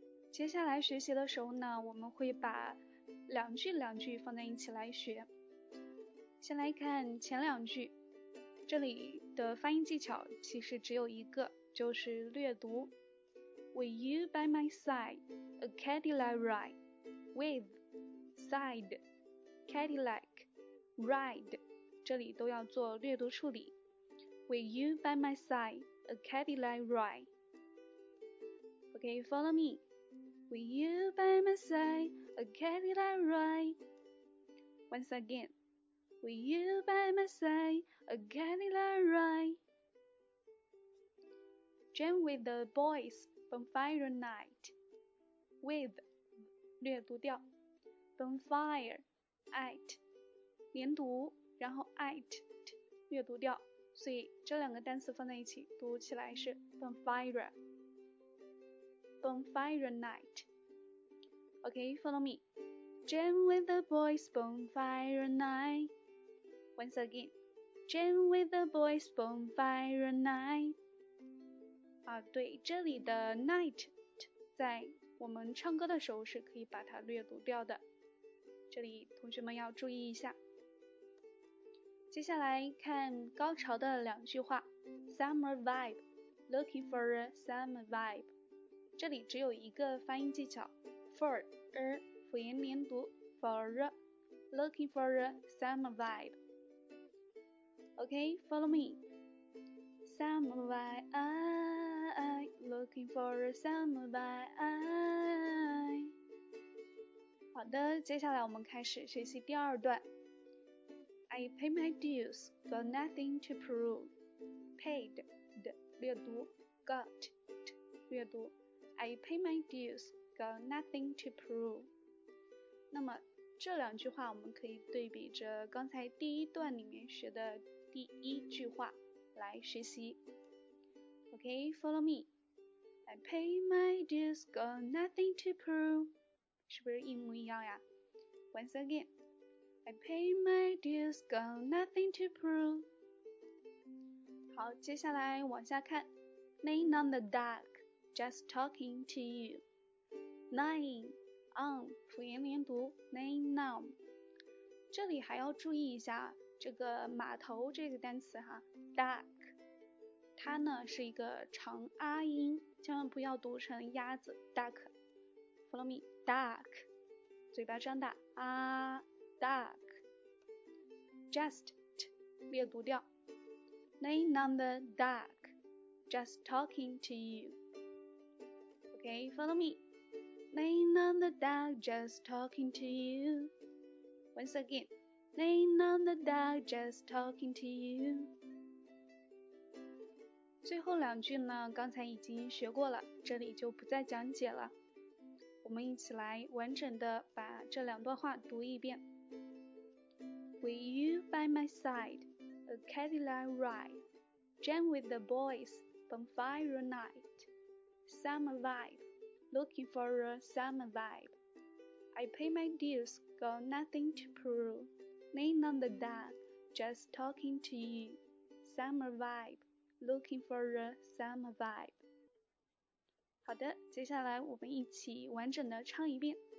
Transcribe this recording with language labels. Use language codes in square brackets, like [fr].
[zh] 接下来学习的时候呢，我们会把2句2句放在一起来学。先来看前2句，这里的发音技巧其实只有一个，就是略读。 [en] With you by my side, a Cadillac ride. With, side, Cadillac, ride. [zh] 这里都要做略读处理。 [en] With you by my side, a Cadillac ride. OK, follow me. With you by my side, a Cadillac ride. Once again, with you by my side, a Cadillac ride. Jam with the boys, bonfire night. [zh] With, 略读掉 bonfire, at, 连读，然后 at, 略读掉，所以这两个单词放在一起读起来是 bonfire. [en] Bonfire night. Okay, follow me. Jam with the boys, bonfire night. Once again. Jam with the boys, bonfire night. [zh] 啊，对，这里的 night 在我们唱歌的时候是可以把它略读掉的，这里同学们要注意一下。接下来看高潮的2句话。 [en] Summer vibe, looking for a summer vibe. [zh] 这里只有一个发音技巧 [en] for a [zh] 辅音连读 [en] for a looking for a summer vibe. OK, follow me. Summer vibe, I looking for a summer vibe. [zh] I 好的，接下来我们开始学习第二段。 [en] I pay my dues, got nothing to prove. Paid, [zh] 的略读 [en] got, [zh] 略读 [en] I pay my dues, got nothing to prove. [zh] 那么这两句话我们可以对比着刚才第一段里面学的第一句话来学习。 [en] OK, follow me. I pay my dues, got nothing to prove. [zh] 是不是一模一样呀？ [en] Once again. I pay my dues, got nothing to prove. [zh] 好，接下来往下看。 [en] Laying on the dock. Just talking to you. Lying on, [zh] 辅音连读 [en] lying on. [zh] 这里还要注意一下这个码头这个单词哈 dock. 它呢是一个长啊音，千万不要读成鸭子 duck. [en] Follow me, dock. [zh] 嘴巴张大啊 [en] dock. Just t, [zh] 略读掉 [en] lying on the dock. Just talking to you. Okay, follow me. Laying on the dock, just talking to you. Once again. Laying on the dock, just talking to you. [zh] 最后两句呢，刚才已经学过了，这里就不再讲解了。我们一起来完整的把这两段话读一遍。 With you by my side, a Cadillac ride. Jam with the boys, bonfire night.Summer vibe, looking for a summer vibe. I pay my dues, got nothing to prove. Laying on the dock, just talking to you. Summer vibe, looking for a summer vibe. 好的，接下来我们一起完整的唱一遍。